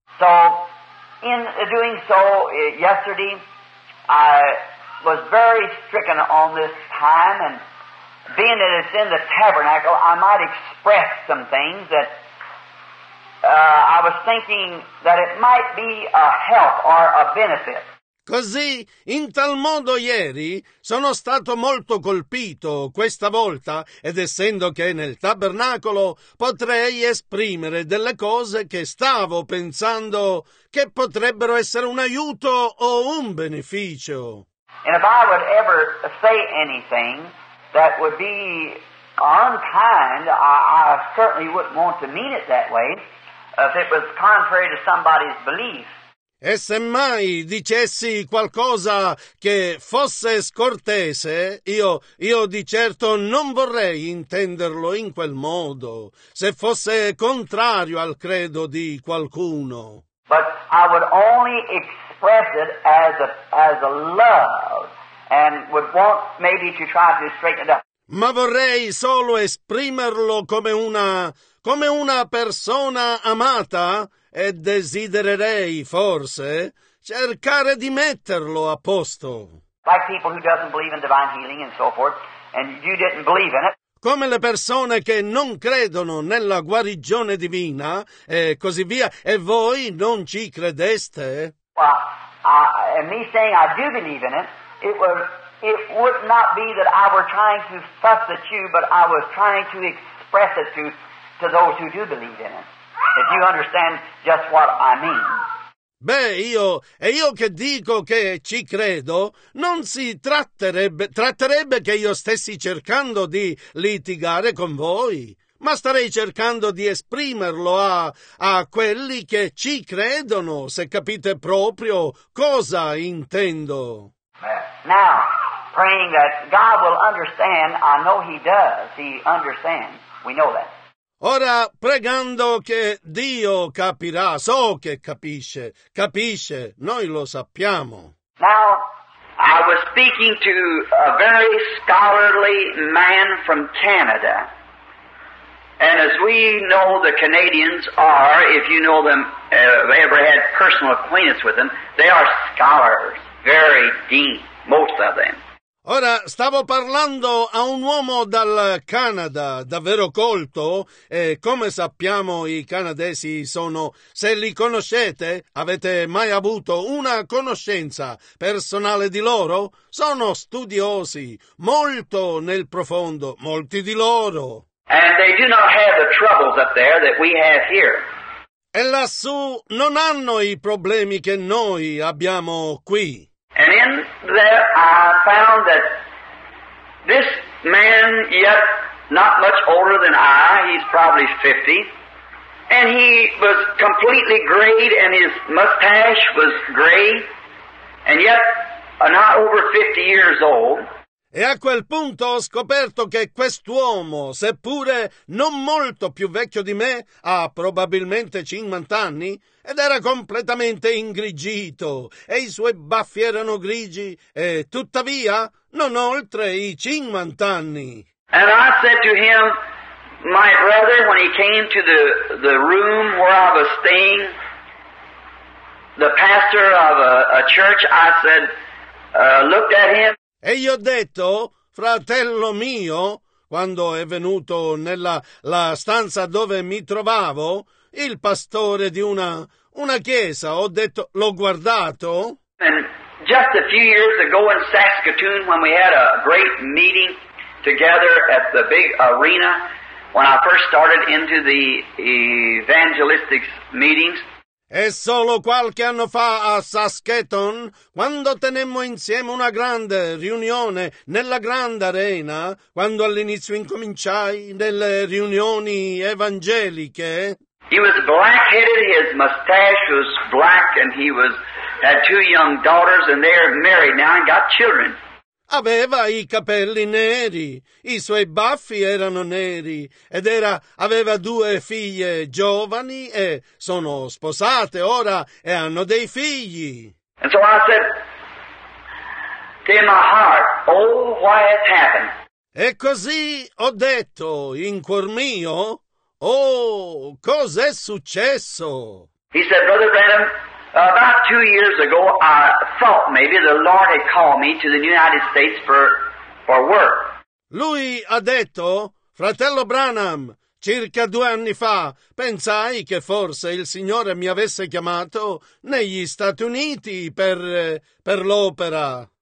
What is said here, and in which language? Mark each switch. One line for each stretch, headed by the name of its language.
English: So, in doing so, yesterday I was very stricken on this time, and being that it's in the tabernacle, I might express some things that. I was thinking that it might be a help or a benefit.
Italian: Così, in tal modo ieri, sono stato molto colpito questa volta, ed essendo che nel tabernacolo, potrei esprimere delle cose che stavo pensando che potrebbero essere un aiuto o un beneficio.
English: And if I would ever say anything that would be unkind, I certainly wouldn't want to mean it that way. If it was contrary to somebody's belief.
Italian: E semmai dicessi qualcosa che fosse scortese, io di certo non vorrei intenderlo in quel modo, se fosse contrario al credo di qualcuno.
English: But I would only express it as a love, and would want maybe to try to straighten it up.
Italian: Ma vorrei solo esprimerlo come una persona amata e desidererei forse cercare di metterlo a posto.
English: Like people who doesn't believe in divine healing and so forth, and you didn't believe in it.
Italian: Come le persone che non credono nella guarigione divina e così via, e voi non ci credeste.
English: Well, and me saying I do believe in it, it was it would not be that I were trying to fuss at you, but I was trying to express it to those who do believe in it. If you understand just what I mean.
Italian: Beh, io che dico che ci credo, non si tratterebbe che io stessi cercando di litigare con voi, ma starei cercando di esprimerlo a quelli che ci credono, se capite proprio cosa intendo.
English: Now, praying that God will understand, I know he does, he understands, we know that.
Italian: Ora, pregando che Dio capirà, so che capisce, noi lo sappiamo.
English: Now, I was speaking to a very scholarly man from Canada. And as we know the Canadians are, if you know them, if you ever had personal acquaintance with them, they are scholars, very deep, most of them.
Italian: Ora, stavo parlando a un uomo dal Canada, davvero colto, e come sappiamo i canadesi sono, se li conoscete, avete mai avuto una conoscenza personale di loro? Sono studiosi, molto nel profondo, molti di loro.
English: And they do not have the troubles up there that we have here.
Italian: E lassù non hanno i problemi che noi abbiamo qui.
English: And in there I found that this man, yet not much older than I, he's probably 50, and he was completely grayed and his mustache was gray, and yet not over 50 years old.
Italian: E a quel punto ho scoperto che quest'uomo, seppure non molto più vecchio di me, ha probabilmente 50 anni, ed era completamente ingrigito, e i suoi baffi erano grigi, e tuttavia non oltre i 50 anni.
English: And I said to him, my brother, when he came to the room where I was staying, the pastor of a church, I said, looked at him.
Italian: E gli ho detto, fratello mio, quando è venuto nella la stanza dove mi trovavo, il pastore di una chiesa, ho detto, l'ho guardato.
English: And just a few years ago in Saskatoon, when we had a great meeting together at the big arena, when I first started into the evangelistic meetings,
Italian: e solo qualche anno fa a Saskatoon, quando tenemmo insieme una grande riunione nella grande arena, quando all'inizio incominciai nelle riunioni evangeliche.
English: He was black-headed, his mustache was black, and he was had two young daughters, and they're married now and got children.
Italian: Aveva i capelli neri, i suoi baffi erano neri, ed aveva due figlie giovani e sono sposate ora e hanno dei figli.
English: And so I said, in my heart, oh, why has happened?
Italian: E così ho detto in cuor mio, oh, cos'è successo?
English: He said, Brother Branham, about 2 years ago, I thought maybe the Lord had called me to the United States for work.
Italian: Lui ha detto, fratello Branham, circa 2 anni fa, pensai che forse il Signore mi avesse chiamato negli Stati Uniti per l'opera.